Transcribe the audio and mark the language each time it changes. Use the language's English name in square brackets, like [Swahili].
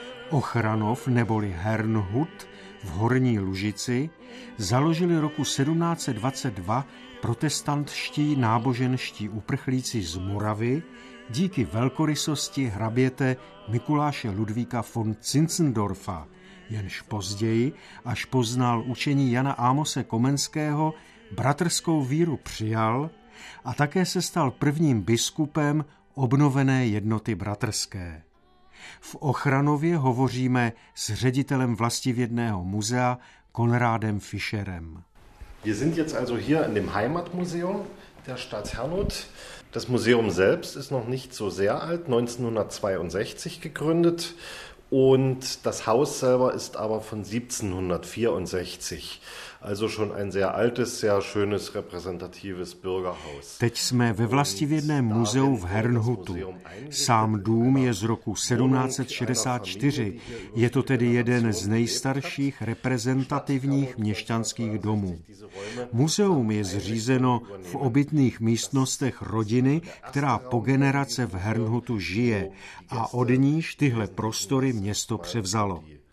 [Czech] Ochranov neboli Hernhut v Horní Lužici založili roku 1722 protestantští náboženští uprchlíci z Moravy díky velkorysosti hraběte Mikuláše Ludvíka von Zinzendorfa, jenž později, až poznal učení Jana Amose Komenského, bratrskou víru přijal a také se stal prvním biskupem obnovené jednoty bratrské. V Ochranově hovoříme s ředitelem vlastivědného muzea Konrádem Fischerem. [German] Wir sind jetzt also hier in dem Heimatmuseum der Stadt Hernhut. Das Museum selbst ist noch nicht so sehr alt, 1962 gegründet und das Haus selber ist aber von 1764. Also schon ein sehr altes, sehr schönes repräsentatives Bürgerhaus. [Czech] Teď jsme ve vlastivědném muzeu v Hernhutu. Sám dům je z roku 1764. Je to tedy jeden z nejstarších reprezentativních měšťanských domů. Muzeum je zřízeno v obytných místnostech rodiny, která po generace v Hernhutu žije a od níž tyhle prostory město převzalo.